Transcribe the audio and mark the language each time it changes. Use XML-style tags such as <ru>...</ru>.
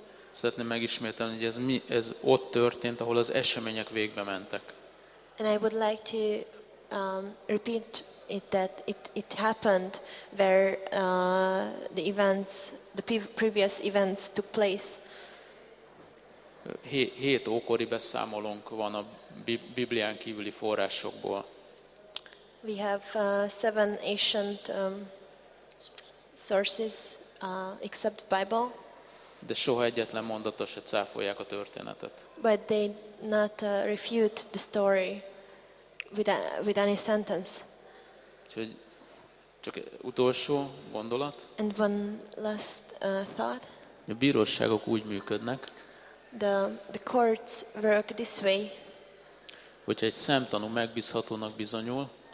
<hu>Szeretném megismételni, hogy ez ott történt, ahol az események végbe mentek.</hu> <en>And I would like to repeat it that it happened where the events, the previous events took place.</en> <hu>7 ókori beszámolónk van a Biblián kívüli forrásokból.</hu> <en>We have 7 ancient sources except the Bible.</en> <hu>De soha egyetlen mondata se cáfolják a történetet.</hu> <en>But they not refute the story with any sentence.</en> <hu>Úgyhogy csak utolsó gondolat.</hu> <en>And one last thought.</en> <hu>A bíróságok úgy működnek.</hu> <en>The courts work this way.</en> <hu>Hogyha egy szemtanú megbízhatónak bizonyul.</hu>